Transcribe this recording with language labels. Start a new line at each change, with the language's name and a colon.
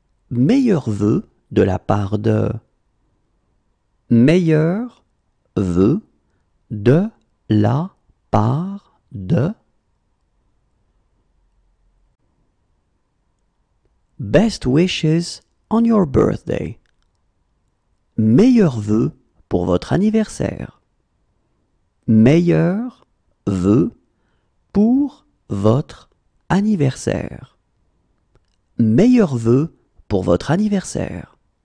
French: Meilleurs vœux de la part de. Meilleurs vœux de la part de.
English: Best wishes on your birthday.
French: Meilleurs vœux pour votre anniversaire. Meilleurs vœux pour votre anniversaire. Meilleurs vœux pour votre anniversaire.